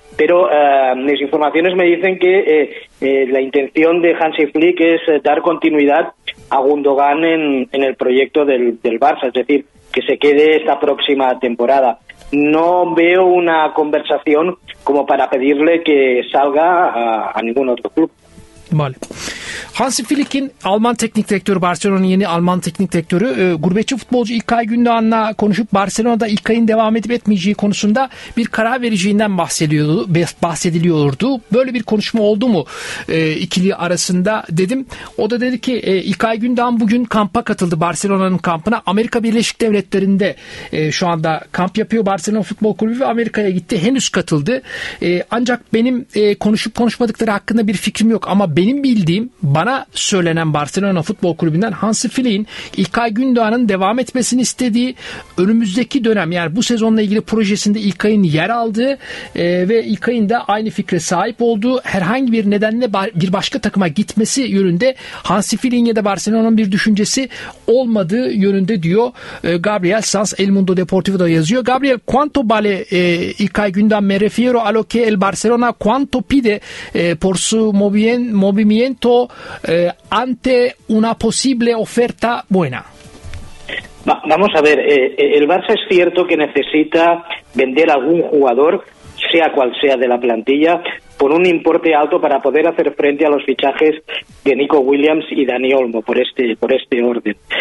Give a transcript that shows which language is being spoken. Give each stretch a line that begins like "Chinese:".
Spanish: Pero mis informaciones me dicen que la intención de Hansi Flick es dar continuidad a Gundogan en el proyecto del Barça, es decir, que se quede esta próxima temporada. No veo una conversación como para pedirle que salga a ningún otro club. Vale.
Turkish: Hansi Flick'in Alman teknik direktörü, Barcelona'nın yeni Alman teknik direktörü, gurbetçi futbolcu İlkay Gündoğan'la konuşup Barcelona'da İlkay'ın devam edip etmeyeceği konusunda bir karar vereceğinden bahsediliyordu. Böyle bir konuşma oldu mu ikili arasında dedim. O da dedi ki İlkay Gündoğan bugün kampa katıldı, Barcelona'nın kampına. Amerika Birleşik Devletleri'nde şu anda kamp yapıyor Barcelona Futbol Kulübü ve Amerika'ya gitti. Henüz katıldı. Ancak benim konuşup konuşmadıkları hakkında bir fikrim yok, ama benim bildiğim, bana söylenen Barcelona Futbol Kulübü'nden, Hansi Flick'in İlkay Gündoğan'ın devam etmesini istediği, önümüzdeki dönem yani bu sezonla ilgili projesinde İlkay'ın yer aldığı ve İlkay'ın da aynı fikre sahip olduğu, herhangi bir nedenle bir başka takıma gitmesi yönünde Hansi Flick'in ya da Barcelona'nın bir düşüncesi olmadığı yönünde diyor Gabriel Sanz, El Mundo Deportivo'da yazıyor.
Spanish: Gabriel, ¿cuánto vale İlkay Gündoğan? Me refiero a lo que el Barcelona, ¿cuánto pide por su movimiento ante una posible oferta buena? Vamos a ver, el Barça es cierto que necesita vender algún jugador, sea cual sea de la plantilla, por un importe alto para poder hacer frente a los fichajes de Nico Williams y Dani Olmo, por este orden.